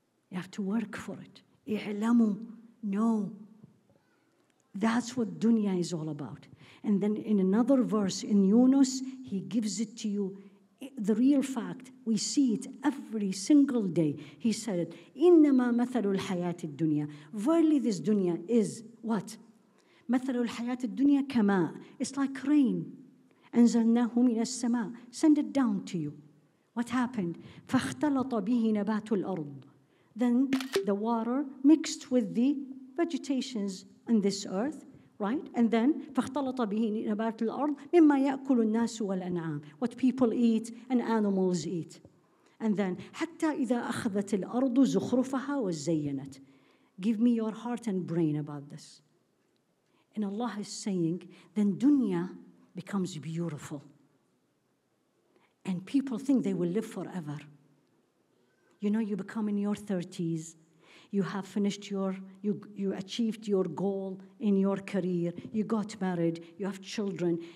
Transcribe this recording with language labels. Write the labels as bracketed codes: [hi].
[en] You have to work for it. اعلموا, no. That's what dunya is all about. And then in another verse, in Yunus, he gives it to you. The real fact, we see it every single day. He said it, [ar] إِنَّمَا مَثَلُ الْحَيَاةِ الدُّنْيَا. [en] Verily, this dunya is what? [ar] مَثَلُ الْحَيَاةِ الدُّنْيَا كَمَا. [en] It's like rain. [ar] أَنزَلْنَاهُ مِنَ السَّمَاءِ. [en] Send it down to you. What happened? [ar] فَاخْتَلَطَ بِهِ نَبَاتُ الْأَرْضِ. [en] Then the water mixed with the vegetations on this earth. Right? And then, [ar] فَاخْتَلَطَ بِهِ نَبَاتُ الْأَرْضِ مِمَّا يَأْكُلُ النَّاسُ وَالْأَنْعَامُ. [en] What people eat and animals eat. And then, [ar] حَتَّى إِذَا أَخْذَتِ الْأَرْضُ زُخْرُفَهَا وَزَيَّنَتْ. [en] Give me your heart and brain about this. And Allah is saying, then dunya becomes beautiful. And people think they will live forever. You know, you become in your 30s. You have finished you achieved your goal in your career. You got married. You have children.